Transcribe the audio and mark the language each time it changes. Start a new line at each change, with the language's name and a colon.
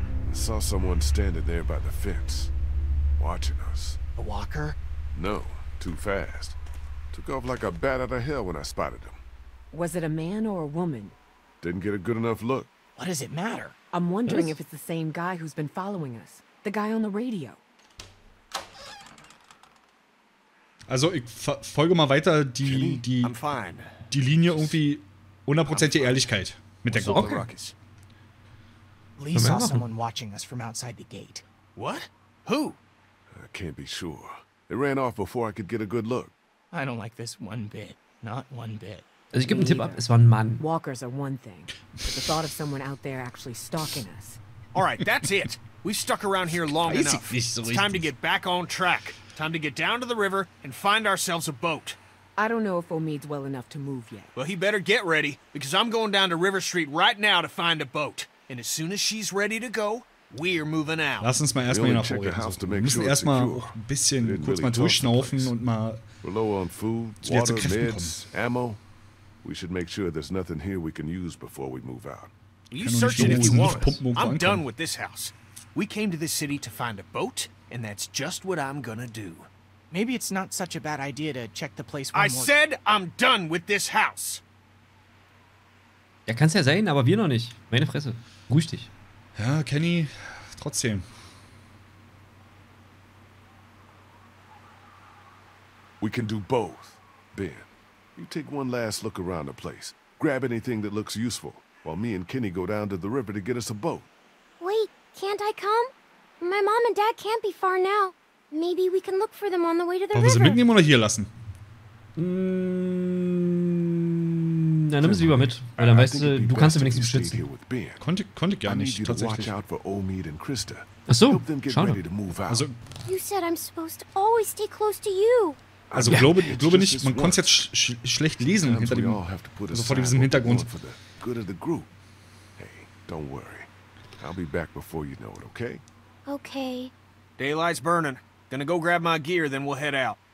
English: I saw someone standing there by the fence, watching us. A walker? No, too fast. Took off like a bat out of hell when I spotted him. Was it a man or a woman? Didn't get a good enough look. What does it matter? I'm wondering if it's the same guy who's been following us. The guy on the radio.
German: Also, ich folge mal weiter die Linie irgendwie hundertprozentige Ehrlichkeit mit der Gruppe. Okay.
English: Lee saw someone watching us from outside the gate. What? Who? I can't be sure. They ran off before I could get a good look. I don't like this one bit. Not one bit.
German: Also ich gebe einen Tipp ab, es war ein Mann.
English: Walkers are one thing, but the thought of someone out there actually stalking us. All right, that's it. We've stuck around here long enough. It's time to get back on track. Time to get down to the river and find ourselves a boat. I don't know if Omid's well enough to move yet. Well, he better get ready, because I'm going down to River Street right now to find a boat. And as soon as she's ready to go, we're moving out.
German: Lass uns mal erstmal hier nach vorne. Wir müssen erstmal ein bisschen kurz mal durchschnaufen und mal...
English: We're low on food, water, meds, ammo. We should make sure there's nothing here we can use before we move out. You search it if you want. I'm done with this house. We came to this city to find a boat, and that's just what I'm gonna do. Maybe it's not such a bad idea to check the place one more time. I said I'm done with this house!
German: Ja, kann's ja sein, aber wir noch nicht. Meine Fresse. Grüß dich. Ja, Kenny, trotzdem.
English: We can do both, Ben. You take one last look around the place. Grab anything that looks useful, while me and Kenny go down to the river to get us a boat. Wait, can't I come? My mom and dad can't be far now. Maybe we can look for them on the way to the river.
German: Wollen wir sie mitnehmen oder hier lassen? Dann nimm sie lieber mit, weil dann weißt du, du kannst sie wenigstens beschützen. Konnte ich gar nicht, tatsächlich. Achso, schade. Also,
English: you said I'm supposed to always stay close to you.
German: Also ja, glaube nicht, man konnte es jetzt schlecht lesen hinter dem, also vor diesem Hintergrund.
English: Hey, don't worry. I'll be back before you know it, okay? Okay. Daylight's burning. Gonna go grab my gear, then we'll head out.